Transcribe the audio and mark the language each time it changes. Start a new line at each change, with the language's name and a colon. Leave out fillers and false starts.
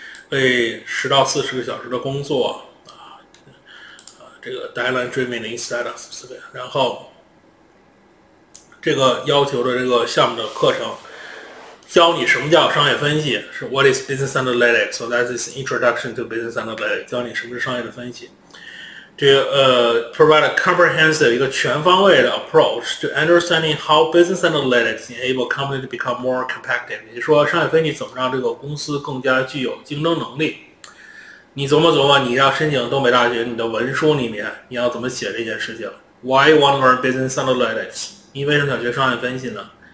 Chinese: 为10到40个小时的工作啊，这个 deadline driven status， 然后这个要求的这个项目的课程。教你什么叫商业分析，是
English: What is business analytics? So that is introduction to business analytics.
Chinese: 教你什么是商业的分析。
English: 这provide a comprehensive
Chinese: 一个全方位的
English: approach to understanding how business analytics enable company to become more competitive.
Chinese: 你说商业分析怎么让这个公司更加具有竞争能力？你琢磨琢磨，你要申请东北大学，你的文书里面你要怎么写这件事情 ？
English: Why you want to learn business analytics?
Chinese: 你为什么想学商业分析呢？